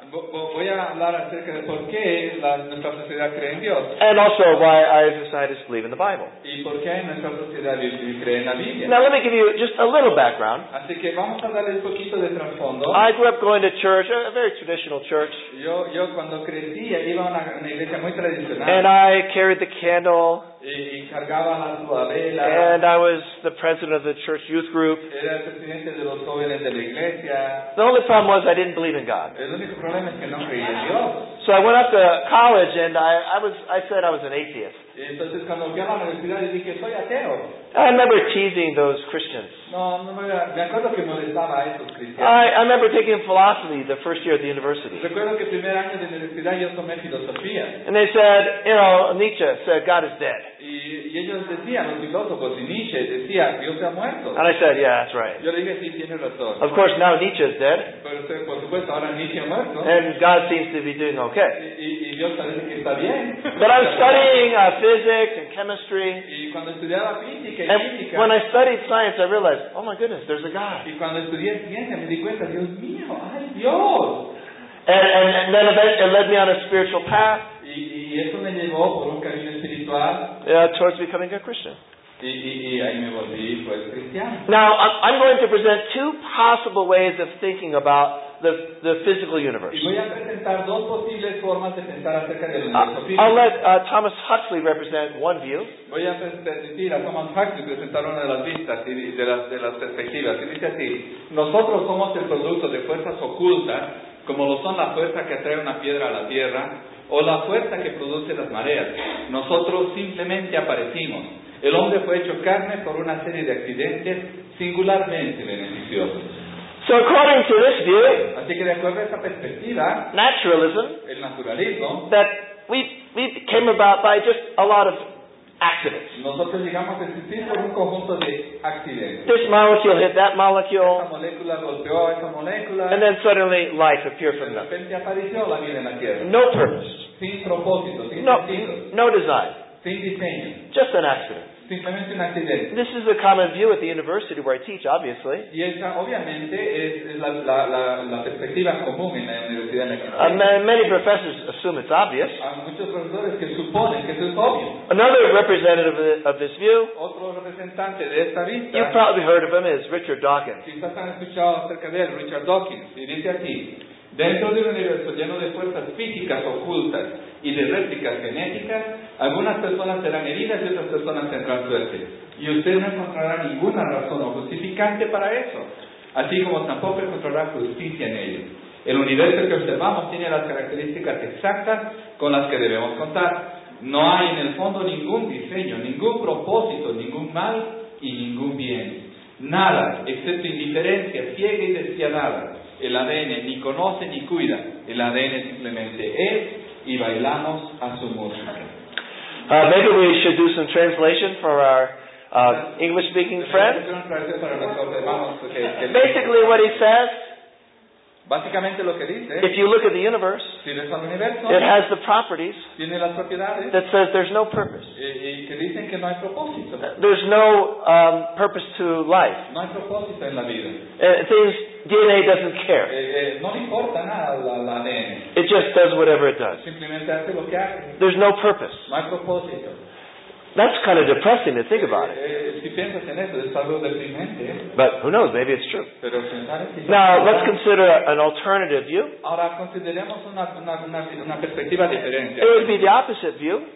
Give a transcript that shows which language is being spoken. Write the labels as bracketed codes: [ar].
[es] Voy a hablar acerca de por qué nuestra sociedad cree en Dios. [en] And also why I, as a scientist, believe in the Bible. [es] Y por qué nuestra sociedad cree en la Biblia. [en] Now, let me give you just a little background. [es] Así que vamos a darle un poquito de trasfondo. [en] I grew up going to church, a very traditional church. [es] Yo cuando crecí, iba a una iglesia muy tradicional. [en] And I carried the candle. [es] Y cargaba la vela. [en] And I was the president of the church youth group. [es] Era el presidente de los jóvenes de la iglesia. [en] The only problem was I didn't believe in God. [es] El único problema es que no creía en Dios. [en] So I went up to college and I said I was an atheist. [es] Entonces, cuando fui a la universidad, dije que soy ateo. [en] I remember teasing those Christians. [es] No, me acuerdo que molestaba a esos cristianos. [en] I remember taking philosophy the first year at the university. [es] Recuerdo que el primer año de universidad yo tomé filosofía. [en] And they said, you know, Nietzsche said God is dead. [es] Y ellos decían, los filósofos, y Nietzsche decía, Dios se ha muerto. [en] And I said, yeah, that's right. [es] Yo le dije, sí, tiene razón. [en] Of course, now Nietzsche is dead. [es] Pero, por supuesto, ahora Nietzsche ha muerto. [en] And God seems to be doing okay. [es] Y Dios parece que está bien. [en] But I'm studying physics and chemistry. [es] Y cuando estudiaba física y [en] and [es] física, [en] when I studied science, I realized, oh my goodness, there's a God. [es] Y cuando estudié ciencia, me di cuenta, Dios mío, ay Dios. [en] And then it led me on a spiritual path. [es] Y eso me llevó por un camino espiritual. [en] Towards becoming a Christian. [es] Y ahí me volví, pues, cristiano. [en] Now, I'm going to present two possible ways of thinking about the physical universe. [es] Y voy a presentar dos posibles formas de pensar acerca del universo. [en] I'll let Thomas Huxley represent one view. [es] Voy a permitir a Thomas Huxley presentar una de las vistas y de las perspectivas. Y dice así: nosotros somos el producto de fuerzas ocultas, como lo son la fuerza que atrae una piedra a la tierra o la fuerza que produce las mareas. Nosotros simplemente aparecimos. El hombre fue hecho carne por una serie de accidentes singularmente beneficiosos. [en] So according to this view, [es] así que de acuerdo a esta perspectiva, [en] naturalism, [es] el naturalismo, [en] that we came about by just a lot of accidents. [es] Nosotros llegamos a existir por un conjunto de accidentes. [en] This molecule hit that molecule, [es] esta molécula golpeó a esta molécula, [en] and then suddenly life appeared from them. [es] De repente apareció la vida en la tierra. [en] No purpose. [es] Sin propósito, sin [en] sentido. No design. [es] Sin diseño. [en] Just an accident. [es] Simplemente un accidente. [en] This is a common view at the university where I teach, obviously. [es] Y esta, obviamente, es la perspectiva común en la universidad en la que trabajo. [en] Many professors assume it's obvious. [es] Muchos profesores que suponen que es obvio. [en] Another representative of this view, [es] otro representante de esta vista, [en] you've probably heard of him, is Richard Dawkins. [es] Quizás han escuchado acerca de él, Richard Dawkins. Y dice así: Dentro de un universo lleno de fuerzas físicas ocultas y de réplicas genéticas, algunas personas serán heridas y otras personas tendrán suerte. Y usted no encontrará ninguna razón o justificante para eso, así como tampoco encontrará justicia en ello. El universo que observamos tiene las características exactas con las que debemos contar. No hay en el fondo ningún diseño, ningún propósito, ningún mal y ningún bien. Nada, excepto indiferencia, ciega y despiadada. El ADN ni conoce ni cuida. El ADN simplemente es y bailamos a su música. [en] Maybe we should do some translation for our English-speaking friend. Basically what he says, [es] básicamente lo que dice, [en] if you look at the universe, [es] si ves al universo, [en] it has the properties, [es] tiene las propiedades, [en] that says there's no purpose. [es] Y que dicen que no hay propósito. [en] There's no purpose to life. [es] No hay propósito en la vida. [en] Things, DNA doesn't care. [es] No importa nada al ADN. [en] It just does whatever it does. [es] Simplemente hace lo que hace. [en] There's no purpose. [es] No hay propósito. [en] That's kind of depressing to think about it. [es] Si piensas en eso, es algo deprimente. [en] But who knows, maybe it's true. [es] Pero si [en] now, let's consider an alternative view. [es] Ahora, consideremos una perspectiva diferente. [en] It would be the opposite view.